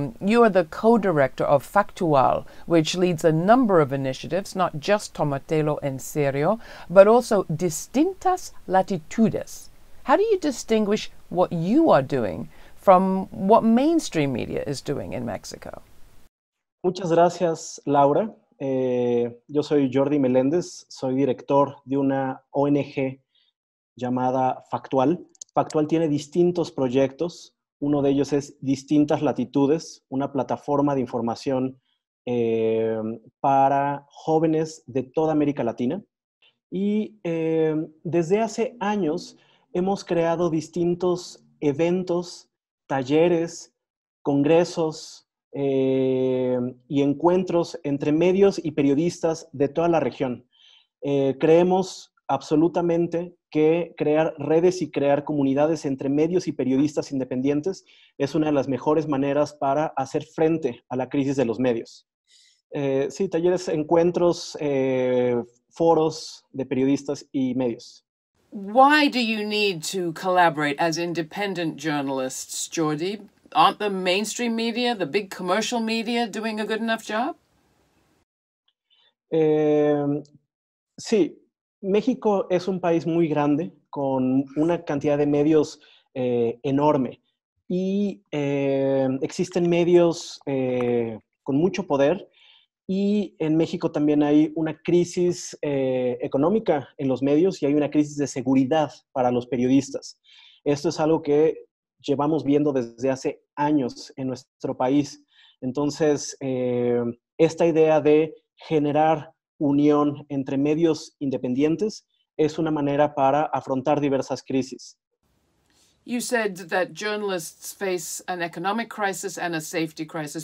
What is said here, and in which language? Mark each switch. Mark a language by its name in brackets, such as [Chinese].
[English] You are the co-director of Factual, which leads a number of initiatives, not just Tomatelo en Serio, but also Distintas Latitudes. How do you distinguish what you are doing from what mainstream media is doing in Mexico? [Spanish] Muchas gracias, Laura. Yo soy Jordy Meléndez, soy director de una ONG llamada Factual. Factual tiene distintos proyectos. Uno de ellos es Distintas Latitudes, una plataforma de información para jóvenes de toda América Latina. Y desde hace años hemos creado distintos eventos, talleres, congresos, y encuentros entre medios y periodistas de toda la región. Creemos absolutamente que crear redes y crear comunidades entre medios y periodistas independientes es una de las mejores maneras para hacer frente a la crisis de los medios. Sí, talleres, encuentros, foros de periodistas y medios. [English] Why do you need to collaborate as independent journalists, Jordy? Aren't the mainstream media, the big commercial media, doing a good enough job? [Spanish] Sí, México es un país muy grande, con una cantidad de medios enorme. Y existen medios con mucho poder. Y en México también hay una crisis económica en los medios y hay una crisis de seguridad para los periodistas. Esto es algo que llevamos viendo desde hace años en nuestro país. Entonces, esta idea de generar unión entre medios independientes es una manera para afrontar diversas crisis. [English] You said that journalists face an economic crisis and a safety crisis.